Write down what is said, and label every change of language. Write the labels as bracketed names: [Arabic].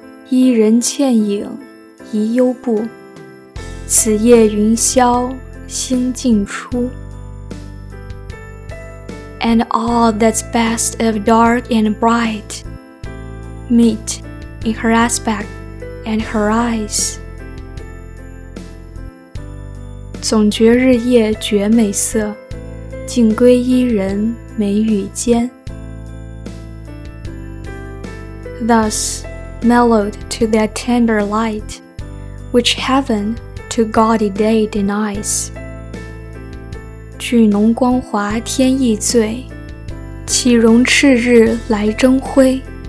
[Chinese] 伊人倩影，宜幽步，此夜云霄，星尽出。 [English] And all that's best of dark and bright, meet in her aspect and her eyes. [Chinese] 总觉日夜绝美色，尽归伊人眉宇间。 [English] Thus mellowed to their tender light, which heaven to gaudy day denies. [Chinese] 聚浓光华天意醉，岂容赤日来争辉。